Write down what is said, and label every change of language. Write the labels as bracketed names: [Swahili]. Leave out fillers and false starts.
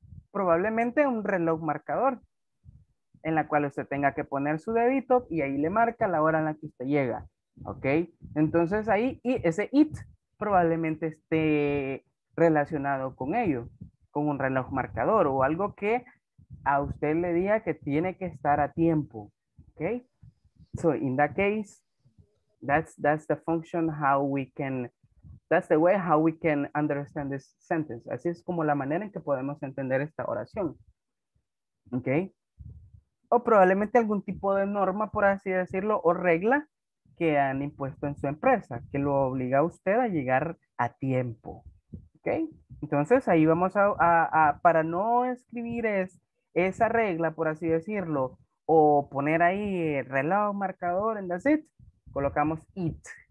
[Spanish] Probablemente un reloj marcador en la cual usted tenga que poner su dedito y ahí le marca la hora en la que usted llega. ¿Ok? Entonces ahí y ese it probablemente esté relacionado con ello, con un reloj marcador o algo que a usted le diga que tiene que estar a tiempo. ¿Ok? [English] So in that case, that's the function how we can, that's the way how we can understand this sentence. [Spanish] Así es como la manera en que podemos entender esta oración. ¿Ok? O probablemente algún tipo de norma, por así decirlo, o regla que han impuesto en su empresa, que lo obliga a usted a llegar a tiempo. ¿Ok? Entonces ahí vamos a para no escribir esa regla, por así decirlo, o poner ahí reloj, marcador, [English] and that's it, [Spanish] colocamos it.